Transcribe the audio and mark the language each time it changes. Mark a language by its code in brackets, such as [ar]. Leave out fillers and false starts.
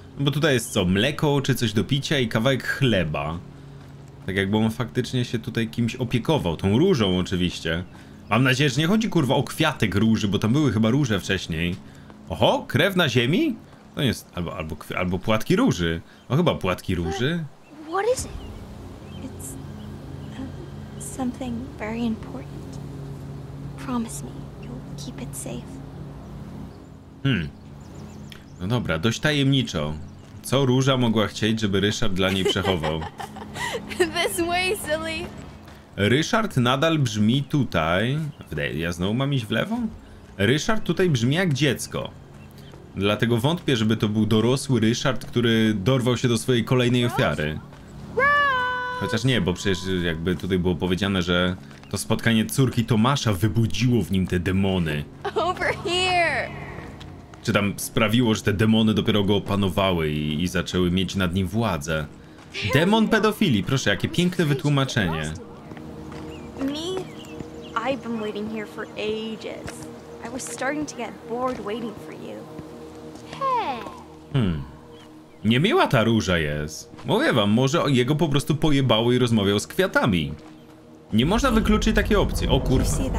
[pl] Bo tutaj jest co, mleko czy coś do picia i kawałek chleba. Tak jakby on faktycznie się tutaj kimś opiekował, tą różą oczywiście. Mam nadzieję, że nie chodzi kurwa o kwiatek róży, bo tam były chyba róże wcześniej. Oho, krew na ziemi? To jest albo płatki róży. O, chyba płatki róży. [en] What is it? It's something very important. Promise me you'll keep it safe. [pl] No dobra, dość tajemniczo. Co Róża mogła chcieć, żeby Ryszard dla niej przechował? [en] This way, silly. [pl] Ryszard nadal brzmi tutaj... Ja znowu mam iść w lewo? Ryszard tutaj brzmi jak dziecko. Dlatego wątpię, żeby to był dorosły Ryszard, który dorwał się do swojej kolejnej ofiary. Chociaż nie, bo przecież jakby tutaj było powiedziane, że to spotkanie córki Tomasza wybudziło w nim te demony. [en] Over here. [pl] Czy tam sprawiło, że te demony dopiero go opanowały i zaczęły mieć nad nim władzę. Demon pedofilii, proszę, jakie piękne wytłumaczenie. [en] Me? I've been waiting here for ages. I was starting to get bored waiting for you. [pl] Hmm. Niemiła ta Róża jest. Mówię wam, może jego po prostu pojebało i rozmawiał z kwiatami. Nie można wykluczyć takiej opcji. O kurwa.